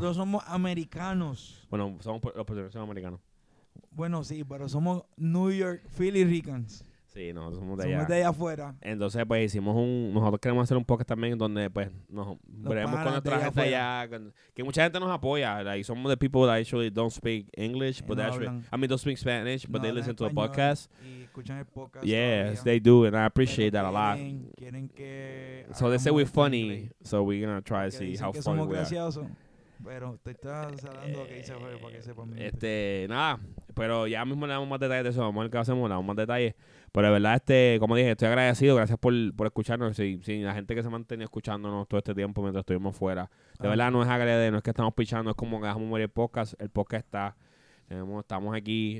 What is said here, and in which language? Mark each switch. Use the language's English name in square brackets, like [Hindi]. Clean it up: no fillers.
[Spanish] Nosotros somos americanos. Bueno, somos los puertorriqueños, somos americanos. Bueno, sí, pero somos New York Philly Ricans. Sí, nosotros somos de allá. Somos de allá afuera. Entonces, pues hicimos un. Nosotros queremos hacer un podcast también donde, pues, nos veremos con nuestra gente allá. Que mucha gente nos apoya. [English] Like, somos the people that actually don't speak English, but no actually. Hablan. I mean, don't speak Spanish, but no, they listen to the podcast. [Spanish] Y escuchan el podcast. [English] Yes, they do, and I appreciate that a lot. [Spanish] Quieren que. [English] So they say we're funny, English. So we're going to try to see how funny [Spanish] somos [English] we are. [Spanish] Gracioso. Pero te estás hablando que hice para que sepan. Nada. Pero ya mismo le damos más detalles de eso. Vamos a ver qué hacemos, le damos más detalles. Pero de verdad, como dije, estoy agradecido. Gracias por escucharnos. Sí, la gente que se mantenía escuchándonos todo este tiempo mientras estuvimos fuera. De verdad, no es agradecer, no es que estamos pichando, es como que dejamos morir el podcast está. Estamos aquí.